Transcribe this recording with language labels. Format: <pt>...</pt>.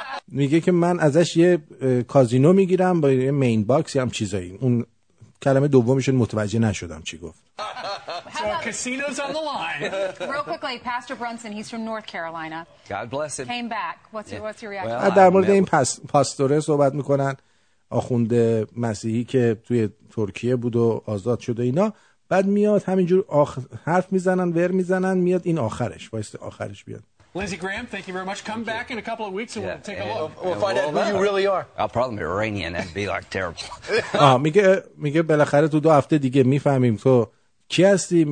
<fa>میگه که من ازش یه کازینو میگیرم با یه مین باکس، یه هم چیزایی. اون کلمه دومیشون متوجه نشدم چی گفت.</fa> <en>Casinos on the line. Real quickly, Pastor Brunson, he's from North Carolina. God bless him. Came back. What's your reaction?</en> <fa>Well, در مورد این پاستوره صحبت میکنن، آخوند مسیحی که توی ترکیه بود و آزاد شده اینا. بعد میاد همینجور حرف میزنن، ور میزنن، میاد این آخرش، وایست آخرش بیاد.</fa> <en>Lindsey Graham, thank you very much. Come back in a couple of weeks and we'll take a look. We'll find out who you really are. I'll probably be Iranian. That'd be like terrible.</en> <fa>میگه بالاخره تو دو هفته دیگه میفهمیم تو کی هستی.</fa>